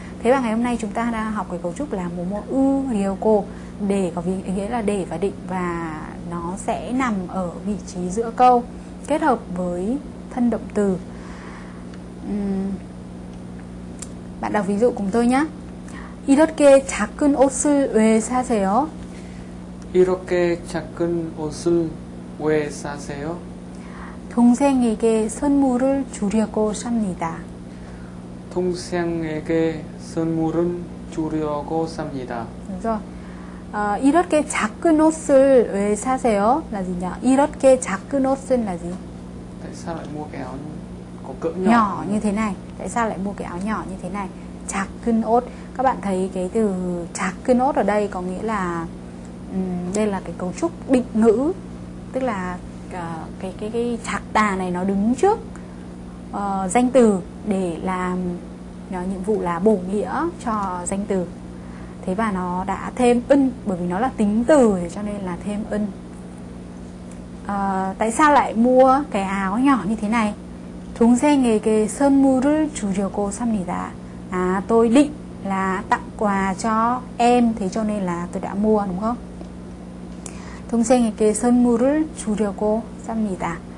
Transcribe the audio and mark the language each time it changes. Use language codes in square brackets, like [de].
[vi] Thế và ngày hôm nay chúng ta đã học cái cấu trúc là mùa mùa ư điều cô. Để có ý nghĩa là để và định. Và nó sẽ nằm ở vị trí giữa câu, kết hợp với thân động từ. Bạn đọc ví dụ cùng tôi nhé. [ko] 이렇게 작은 옷을 왜 사세요? 이렇게 작은 옷을 왜 사세요? 동생에게 선물을 주려고 삽니다. 동생에게 선물을 주려고 삽니다. 그래서 이렇게 작은 옷을 왜 사세요? 라지냐? 이렇게 작은 옷은 라지? [vi] Tại sao lại mua cái áo có cỡ nhỏ như thế này? Tại sao lại mua cái áo nhỏ như thế này? Chạc cân ốt. Các bạn thấy cái từ chạc cân ốt ở đây có nghĩa là đây là cái cấu trúc định ngữ. Tức là cái chạc tà này nó đứng trước danh từ để làm nhiệm vụ là bổ nghĩa cho danh từ. Thế và nó đã thêm ân bởi vì nó là tính từ cho nên là thêm ân. Tại sao lại mua cái áo nhỏ như thế này? [ko] 동생에게 선물을 주려고 삽니다. [vi] Tôi định là tặng quà cho em, thế cho nên là tôi đã mua, đúng không? [ko] 동생에게 선물을 주려고 삽니다.